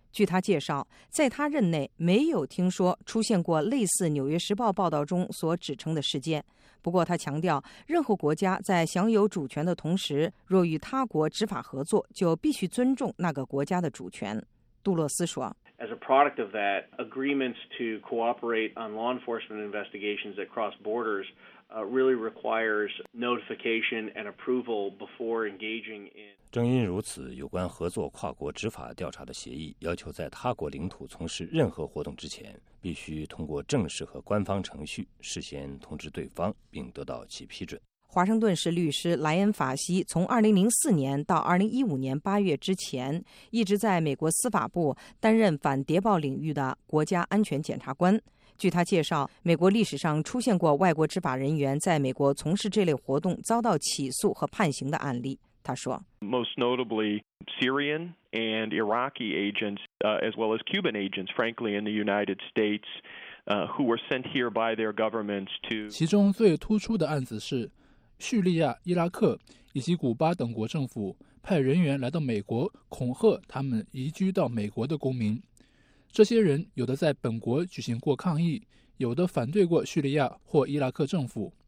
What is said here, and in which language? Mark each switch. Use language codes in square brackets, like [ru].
[zh] 据他介绍，在他任内没有听说出现过类似《纽约时报》报道中所指称的事件。不过他强调，任何国家在享有主权的同时，若与他国执法合作，就必须尊重那个国家的主权。杜洛斯说， [en] As a product of that, agreements to cooperate on law enforcement investigations that cross borders really requires notification and approval before engaging in. [zh] 正因如此，有关合作跨国执法调查的协议要求，在他国领土从事任何活动之前，必须通过正式和官方程序事先通知对方，并得到其批准。华盛顿市律师莱恩·法西从2004年到2015年8月之前一直在美国司法部担任反谍报领域的国家安全检察官。据他介绍，美国历史上出现过外国执法人员在美国从事这类活动遭到起诉和判刑的案例。他说， [en] Most notably Syrian and Iraqi agents, as well as Cuban agents, frankly, in the United States, who were sent here by their governments to. [zh] 其中最突出的案子是叙利亚、伊拉克以及古巴等国政府派人员来到美国，恐吓他们移居到美国的公民。这些人有的在本国举行过抗议，有的反对过叙利亚或伊拉克政府。